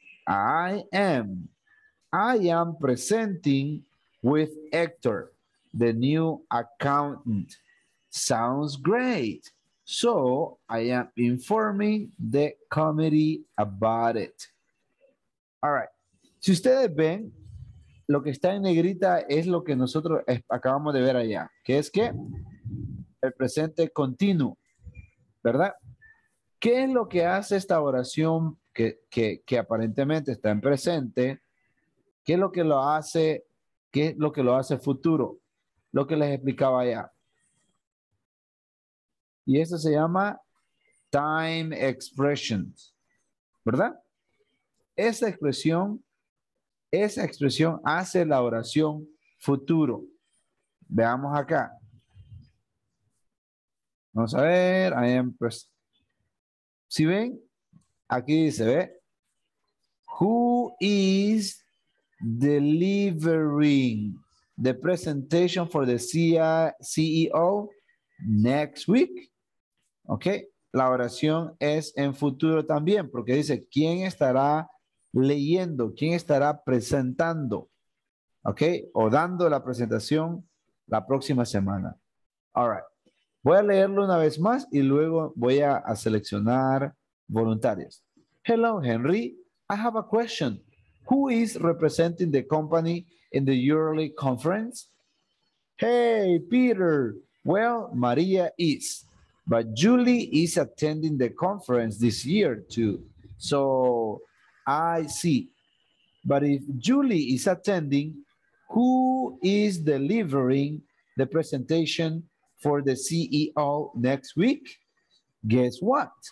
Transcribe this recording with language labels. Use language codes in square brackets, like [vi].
[en] I am. I am presenting with Hector, the new accountant. Sounds great. So I am informing the committee about it. All right. [es] Si ustedes ven, lo que está en negrita es lo que nosotros acabamos de ver allá. ¿Qué es qué? El presente continuo, ¿verdad? ¿Qué es lo que hace esta oración que aparentemente está en presente? ¿Qué es lo que lo hace? ¿Qué es lo que lo hace futuro? Lo que les explicaba allá. Y eso se llama time expressions, ¿verdad? Esa expresión hace la oración futuro. Veamos acá. Vamos a ver, [en] I am present. [es] Si ven, aquí dice, ¿ve? [en] Who is delivering the presentation for the CEO next week? [es] Ok, la oración es en futuro también, porque dice, ¿quién estará leyendo? ¿Quién estará presentando? Ok, o dando la presentación la próxima semana. [en] All right. [es] Voy a leerlo una vez más y luego voy a seleccionar voluntarios. [en] Hello, Henry. I have a question. Who is representing the company in the yearly conference? Hey, Peter. Well, Maria is. But Julie is attending the conference this year too. So, I see. But if Julie is attending, who is delivering the presentation for the CEO next week? Guess what?